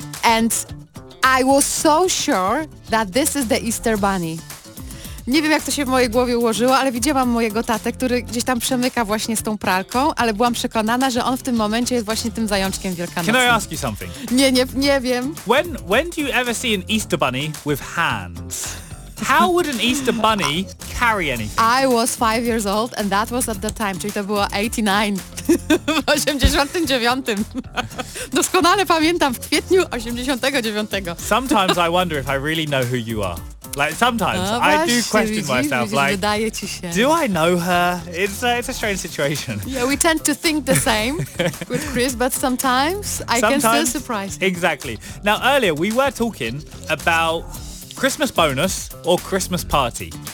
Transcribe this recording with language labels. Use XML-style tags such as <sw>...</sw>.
<en>And I was so sure that this is the Easter Bunny.</en> <pl>Nie wiem, jak to się w mojej głowie ułożyło, ale widziałam mojego tatę, który gdzieś tam przemyka właśnie z tą pralką, ale byłam przekonana, że on w tym momencie jest właśnie tym zajączkiem wielkanocnym.</pl> <en>Can I ask you something?</en> <pl>Nie wiem.</pl> <en>When do you ever see an Easter Bunny with hands? How would an Easter bunny carry anything? I was 5 years old and that was at the time,</en> <pl>czyli to było 89, w 89. Doskonale pamiętam, w kwietniu 89.</pl> <en>Sometimes I wonder if I really know who you are. Like sometimes,</en> <pl>no,</pl> <en>I do question</en> <pl>widzisz,</pl> <en>myself,</en> <pl>widzisz,</pl> <en>like,</en> <pl>wydaje ci się.</pl> <en>Do I know her? It's a strange situation. Yeah, we tend to think the same with Chris, but sometimes I can still surprise him. Exactly. Now earlier we were talking about Christmas bonus or Christmas party.</en>